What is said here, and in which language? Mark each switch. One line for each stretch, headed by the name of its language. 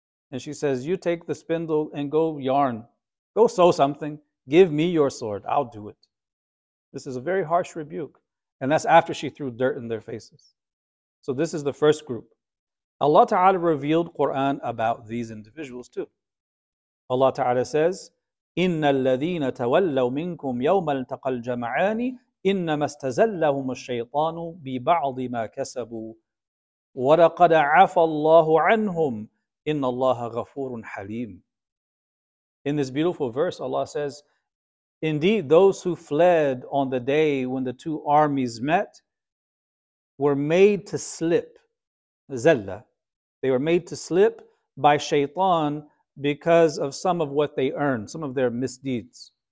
English: And she says, "You take the spindle and go yarn. Go sew something. Give me your sword. I'll do it." This is a very harsh rebuke. And that's after she threw dirt in their faces. So this is the first group. Allah Ta'ala revealed Quran about these individuals too. Allah Ta'ala says,
Arabic: "إِنَّ الَّذِينَ تَوَلَّوْا مِنْكُمْ يَوْمَ الْتَقَى الْجَمْعَانِ إِنَّمَا اسْتَزَلَّهُمُ الشَّيْطَانُ بِبَعْضِ مَا كَسَبُوا وَلَقَدْ عَفَى اللَّهُ عَنْهُمْ إِنَّ اللَّهَ غَفُورٌ حَلِيمٌ."
English: In this beautiful verse, Allah says, "Indeed, those who fled on the day when the two armies met were made to slip." Zalla. They were made to slip by shaitan because of some of what they earned, some of their misdeeds.